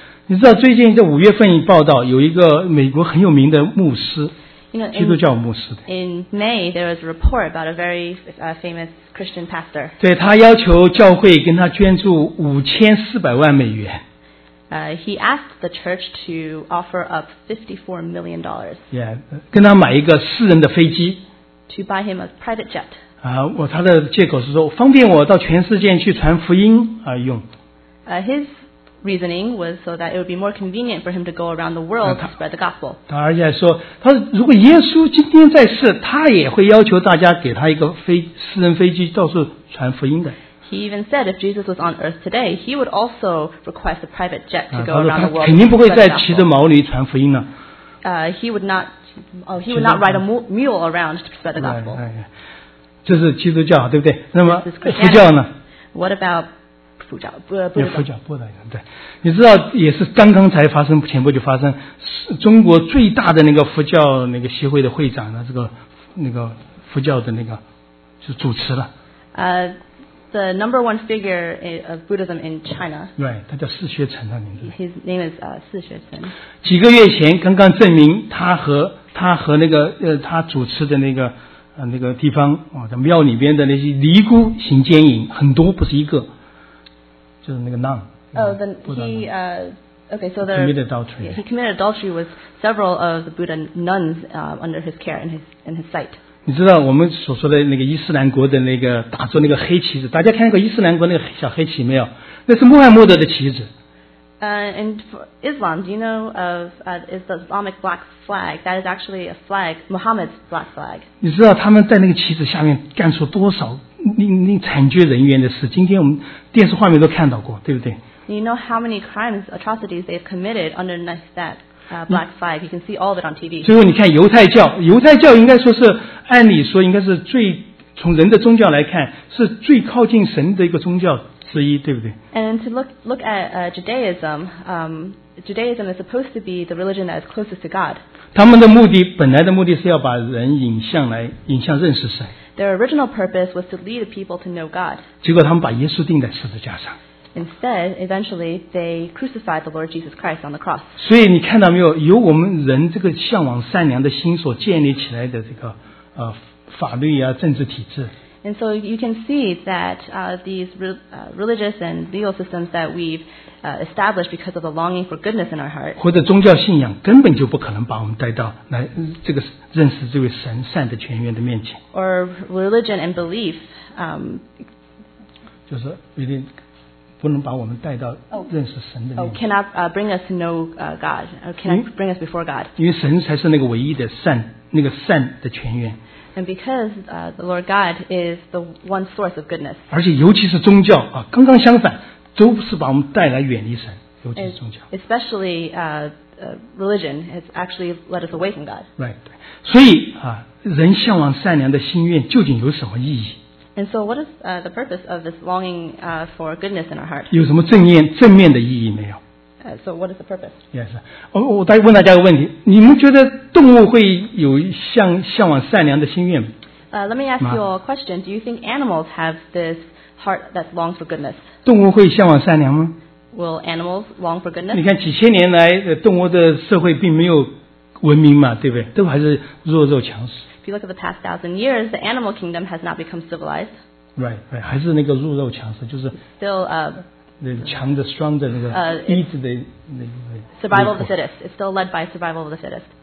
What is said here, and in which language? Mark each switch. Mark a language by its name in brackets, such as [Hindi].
[Chinese] 你知道最近在五月份报道有一个美国很有名的牧师，基督教牧师。 [English] In May, there was a report about a very famous Christian pastor. [Chinese] 对，他要求教会跟他捐助$5,400,000。 [English] He asked the church to offer up $54 million. [Chinese] Yeah, 跟他买一个私人的飞机。 [English] To buy him a private jet. [Chinese] 他的借口是说方便我到全世界去传福音而用。 [English] His reasoning was so that it would be more convenient for him to go around the world to spread the gospel. [Chinese] 他而且说，他如果耶稣今天在世，他也会要求大家给他一个私人飞机到处传福音的。 [English] He even said if Jesus was on earth today, he would also request a private jet to go around the world. [Chinese] 他肯定不会再骑着毛驴传福音了。 [English] He would not ride a mule around to spread the gospel. [Chinese] 这是基督教，对不对？那么佛教呢 [English] ？What about 佛教？ [Chinese] 佛教不一样。对，你知道也是刚刚才发生，前不久发生，中国最大的那个佛教那个协会的会长呢，这个那个佛教的那个就主持了。 [English] The number one figure of Buddhism in China. [Chinese] Right, 他叫四学成啊，名字。 [English] His name is 四学成。 [Chinese] 几个月前，刚刚证明他和那个他主持的那个。那个地方在庙里边的那些尼姑行奸淫很多，不是一个，就是那个 nun。 [English] He committed adultery with several of the Buddha nuns under his care in his sight. [Chinese] 你知道我们所说的那个伊斯兰国的那个打着那个黑旗子，大家看过伊斯兰国那个小黑旗没有？那是穆罕默德的旗子。 [English] And for Islam, do you know of is the Islamic black flag? That is actually a flag, Muhammad's black flag. [Chinese] 你知道他们在那个旗子下面干出多少令惨绝人寰的事？今天我们电视画面都看到过，对不对 [English] ？You know how many crimes, atrocities they've committed underneath that black flag? You can see all of it on TV. [Chinese] 最后你看犹太教应该说是按理说应该是最从人的宗教来看是最靠近神的一个宗教。之一，对不对 [English] ？And to look at Judaism is supposed to be the religion that is closest to God. [Chinese] 他们的目的本来的目的是要把人引向认识神。 [English] Their original purpose was to lead people to know God. [Chinese] 结果他们把耶稣钉在十字架上。 [English] Instead, eventually they crucified the Lord Jesus Christ on the cross. [Chinese] 所以你看到没有？由我们人这个向往善良的心所建立起来的这个法律啊，政治体制。 [English] And so you can see that these religious and legal systems that we've established because of the longing for goodness in our heart, [Chinese] 或者宗教信仰根本就不可能把我们带到来这个认识这位神善的全源的面前。 [English] Or religion and belief, [Chinese] 就是一定不能把我们带到认识神的面前。 [English] Oh, cannot bring us to know God, or cannot bring us before God. [Chinese] 因为神才是那个唯一的善，那个善的全源。 [English] And because the Lord God is the one source of goodness. [Chinese] 而且尤其是宗教啊，刚刚相反，都是把我们带来远离神，尤其是宗教。 [English] Especially religion has actually led us away from God. Right. [Chinese] 所以啊，人向往善良的心愿究竟有什么意义 [English] ？And so, what is the purpose of this longing for goodness in our heart? [Chinese] 有什么正面的意义没有？ [English] So what is the purpose? Yes. [Chinese] 我再问大家一个问题，你们觉得动物会有向往善良的心愿吗？ [English] Let me ask you a question. Do you think animals have this heart that longs for goodness? [Chinese] 动物会向往善良吗？ [English] Will animals long for goodness? [Chinese] 你看几千年来动物的社会并没有文明嘛，对不对？都还是弱肉强食。 [English] If you look at the past 1,000 years, the animal kingdom has not become civilized. Right. [Chinese] 还是那个弱肉强食，就是 [English] still [Chinese] 强的 [English] strong [Chinese] 的那个 [English] eat [Chinese] 的那个 [English] survival of the fittest. It's still led by survival of the fittest.